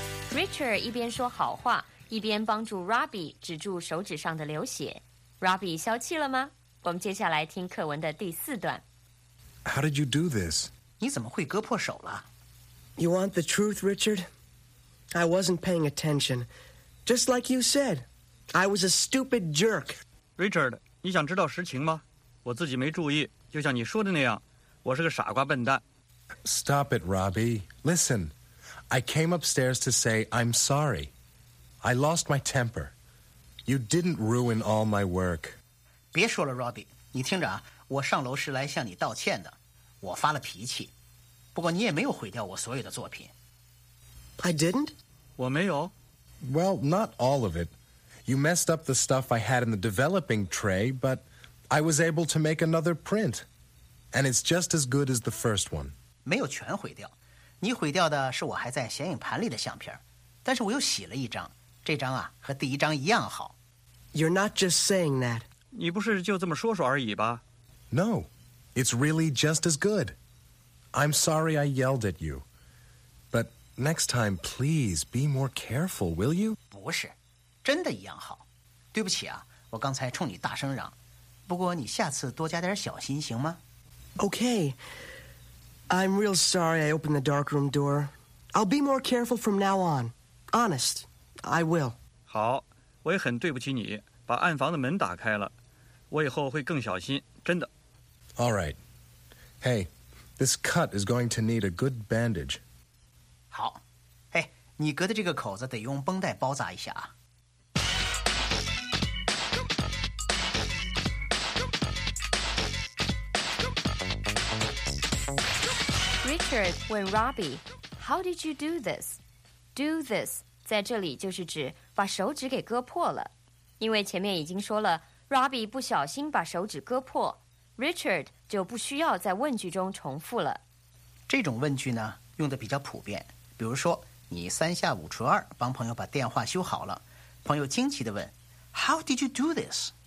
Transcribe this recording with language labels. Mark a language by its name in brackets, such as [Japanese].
[Chinese] Richard 一边说好话，一边帮助 Robbie 止住手指上的流血。 Robbie 消气了吗？我们接下来听课文的第四段。 [English] How did you do this？ [Chinese] 你怎么会割破手了？ [English] You want the truth, Richard? I wasn't paying attention. Just like you said, I was a stupid jerk. [Chinese] Richard, 你想知道实情吗？我自己没注意，就像你说的那样，我是个傻瓜笨蛋。 [English] Stop it, Robbie. Listen, I came upstairs to say I'm sorry. I lost my temper. You didn't ruin all my work. [Chinese] 别说了 Robbie, 你听着啊，我上楼是来向你道歉的，我发了脾气。不过你也没有毁掉我所有的作品。 [English] I didn't? [Chinese] 我没有。 [English] Well, not all of it. You messed up the stuff I had in the developing tray, but I was able to make another print. And it's just as good as the first one. [Chinese] 没有全毁掉。你毁掉的是我还在显影盘里的相片。但是我又洗了一张。这张啊，和第一张一样好。 [English] You're not just saying that. [Chinese] 你不是就这么说说而已吧？ [English] No, it's really just as good. I'm sorry I yelled at you. But next time, please be more careful, will you? [Chinese] 不是，真的一样好。对不起啊，我刚才冲你大声嚷。不过你下次多加点小心行吗？ [English] Okay. I'm real sorry I opened the darkroom door. I'll be more careful from now on. Honest, I will. [Chinese] 好，我也很对不起你，把暗房的门打开了。我以后会更小心，真的。 [English] All right. Hey. This cut is going to need a good bandage. [Chinese] 好，哎，你割的这个口子得用绷带包扎一下啊。 [English] Richard [Chinese] 问 [English] Robbie, "How did you do this?" Do this [Chinese] 在这里就是指把手指给割破了，因为前面已经说了 ，Robbie 不小心把手指割破。 Richard 就不需要在问句中重复了。这种问句呢，用的比较普遍。比如说，你三下五除二帮朋友把电话修好了，朋友惊奇地问 ： [English] “How did you do this？